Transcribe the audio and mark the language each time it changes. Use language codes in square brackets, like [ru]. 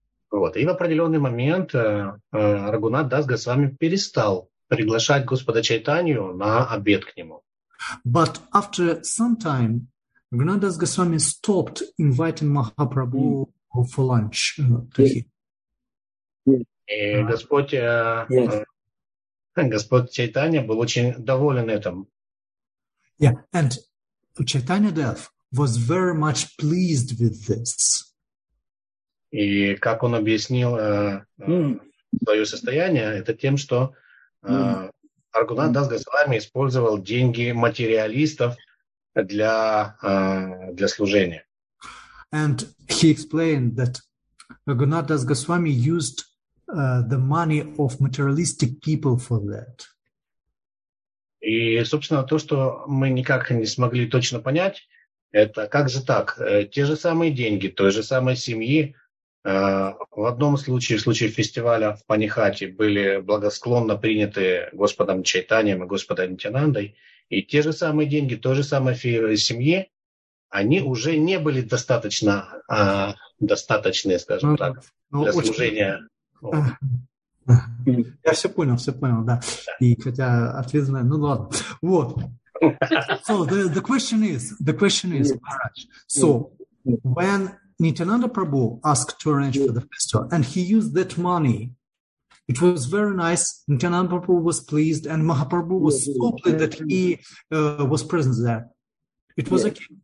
[ru] Вот, и в определенный момент Рагунатх Дас Госвами перестал приглашать Господа Чайтанью на обед к нему. [en] But after some time, Рагунатх Дас Госвами stopped inviting Махапрабху for lunch. [ru] И Господь, Господь Чайтанья был очень доволен этим. [en] Yeah, and Chaitanya Dev was very much pleased with this. [ru] И как он объяснил свое состояние, это тем, что Рагунатх Дас Госвами использовал деньги материалистов для, для служения. [en] And he explained that Rагунатх Дас Госвами used the money of materialistic people for that. [ru] И, собственно, то, что мы никак не смогли точно понять, это как же так? Те же самые деньги той же самой семьи в одном случае, в случае фестиваля в Панихате, были благосклонно приняты Господом Чайтаньем и Господом Нитянандой, и те же самые деньги той же самой семьи, они уже не были достаточно достаточные, скажем так, для служения. Я все понял, да. И хотя ответ знаю, ну ладно. Вот. [en] So the question is, Maharaj, so when Nityananda Prabhu asked to arrange for the festival, and he used that money. It was very nice. Nityananda Prabhu was pleased, and Mahaprabhu was so pleased that he was present there. It was okay.